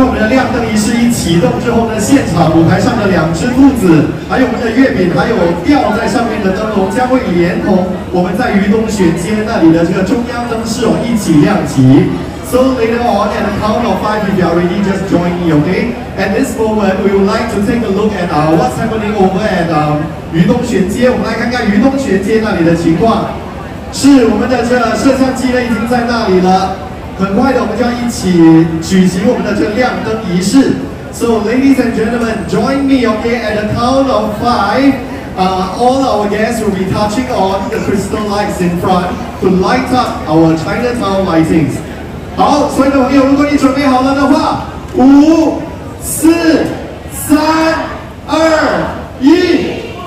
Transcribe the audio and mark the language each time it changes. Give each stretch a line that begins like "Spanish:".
Chinese: 亮灯仪式一启动之后呢，现场舞台上的两只兔子，还有我们的月饼，还有吊在上面的灯笼，将会连同我们在渝东选街那里的这个中央灯饰一起亮起。
English: So later on, at the count of five, if you are ready, just join me, okay? At this moment, we would like to take a look at what's happening over at 渝东选街。
Chinese: 我们来看看渝东选街那里的情况。是我们的这摄像机呢已经在那里了。很快的，我们就要一起举行我们的这个亮灯仪式。
English: So, ladies and gentlemen, join me, okay? At the count of five, all our guests will be touching on the crystal lights in front to light up our Chinatown lightings.
Chinese: 好，所以的朋友，如果你准备好了的话，五、四、三、二、一。